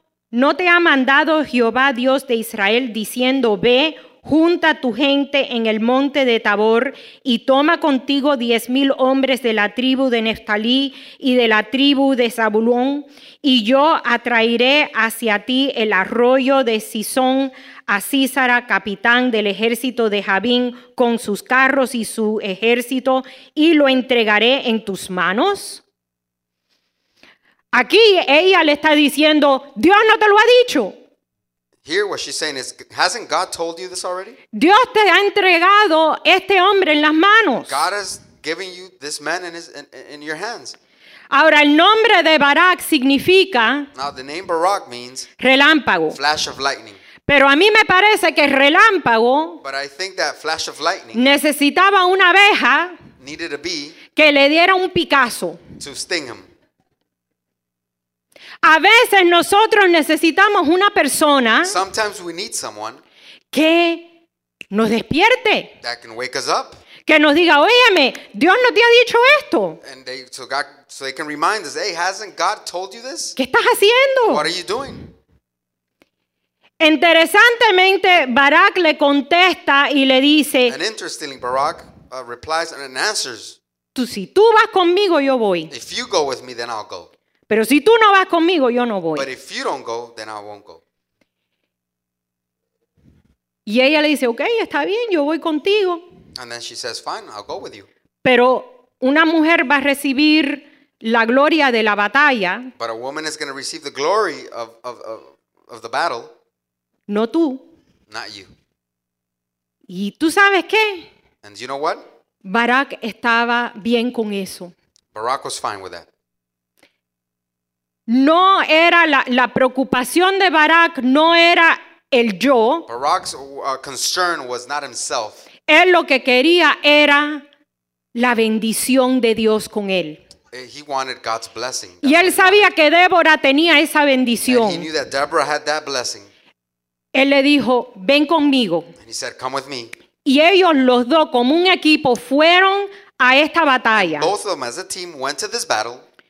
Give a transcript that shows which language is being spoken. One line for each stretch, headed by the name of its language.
Spanish: ¿No te ha mandado Jehová Dios de Israel diciendo, ve, junta tu gente en el monte de Tabor y toma contigo 10,000 hombres de la tribu de Neftalí y de la tribu de Zabulón, y yo atraeré hacia ti el arroyo de Cisón a Sísara, capitán del ejército de Jabín, con sus carros y su ejército, y lo entregaré en tus manos? Aquí ella le está diciendo, Dios no te lo ha dicho.
English: Here what she's saying is, hasn't God told you this already?
Spanish: Dios te ha entregado este hombre en las manos.
English: God has given you this man in your hands.
Spanish: Ahora el nombre de Barak significa.
English: Now the name Barak means.
Spanish: Relámpago.
English: Flash of lightning.
Spanish: Pero a mí me parece que relámpago.
English: But I think that flash of lightning.
Spanish: Necesitaba una abeja.
English: Needed a bee.
Spanish: Que le diera un picazo.
English: To sting him.
Spanish: A veces nosotros necesitamos una persona
English: sometimes we need someone
Spanish: que nos despierte.
English: That can wake us up.
Spanish: Que nos diga, óyeme, Dios no te ha dicho esto.
English: So they can remind us, hey, hasn't God told you this?
Spanish: ¿Qué estás haciendo?
English: What are you doing?
Spanish: Interesantemente, Barak le contesta y le dice,
English: and interestingly, Barak replies and answers,
Spanish: si tú vas conmigo, yo voy.
English: If you go with me, then I'll go.
Spanish: Pero si tú no vas conmigo, yo no voy.
English: But if you don't go, then I won't go.
Spanish: Y ella le dice, okay, está bien, yo voy contigo.
English: And then she says, fine, I'll go with you.
Spanish: Pero una mujer va a recibir la gloria de la batalla.
English: But a woman is going to receive the glory of the battle.
Spanish: No tú.
English: Not you.
Spanish: ¿Y tú sabes qué?
English: And you know what?
Spanish: Barak estaba bien con eso.
English: Barak was fine with that.
Spanish: No era la preocupación de Barak, no era el yo.
English: Barak's concern was not himself.
Spanish: Él lo que quería era la bendición de Dios con él.
English: He wanted God's blessing.
Spanish: Y él sabía que Débora tenía esa bendición.
English: And he knew that Deborah had that blessing.
Spanish: Él le dijo, ven conmigo.
English: And he said, come with me.
Spanish: Y ellos los dos como un equipo fueron a esta batalla.
English: And both of them as a team went to this battle.